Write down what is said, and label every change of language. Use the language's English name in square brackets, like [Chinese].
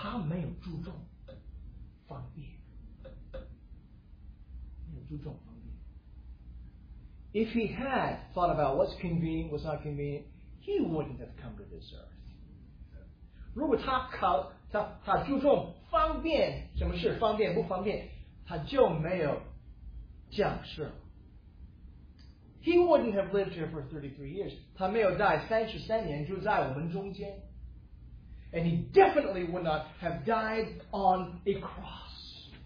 [Chinese] 我很高兴，我很感恩，主耶稣基督来到这个世界上，拯救我，他没有注重方便。 [English] If he had thought about what's convenient, what's not convenient, he wouldn't have come to this earth. [Chinese] 如果他注重方便，什么事方便不方便，他就没有降生。 [English] He wouldn't have lived here for 33 years. [Chinese] 他没有died33年住在我们中间。 [English] And he definitely would not have died on a cross.